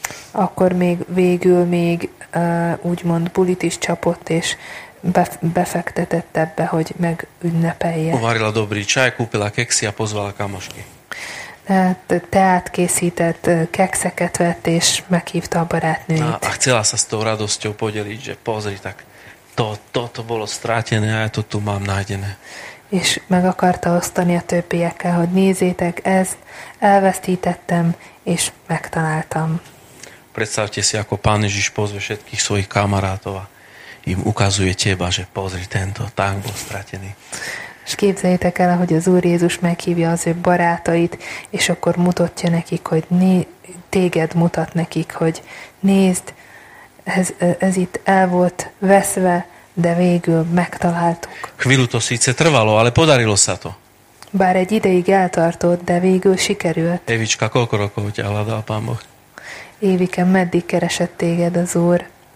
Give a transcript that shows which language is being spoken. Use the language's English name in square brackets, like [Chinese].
[Hungarian] Akkor még végül még úgymond bulit is csapott, és befektetett ebbe, hogy megünnepelje. [Slovak] Uvarila dobrý čaj, kúpila keksi a pozvala kamošky. [Hungarian] Tehát teát készített, kekseket vett, és meghívta a barátnőit. [Slovak] A chcela sa s tou radosťou podeliť, že pozri, tak to bolo strátené, a ja to tu mám nájdené. [Hungarian] És meg akarta osztani a többiekkel, hogy nézzétek, ezt elvesztítettem, és megtaláltam. [Slovak] Predstavte si, ako Pán Ježiš pozve všetkých svojich kamarátov a im ukazuje teba, že pozri tento, tak bol stratený. [Hungarian] És képzeljétek el, hogy az Úr Jézus meghívja az ő barátait, és akkor mutatja nekik, hogy téged mutat nekik, hogy nézd, ez itt el volt veszve, de végül megtaláltuk. [Slovak] Chvíľu to síce trvalo, ale podarilo sa to. [Hungarian] Bár egy ideig eltartott, de végül sikerült. [Slovak] Evička, koľko rokov ťa hľadal Pán Boh? [Hungarian] Évike, meddig keresett téged az Úr?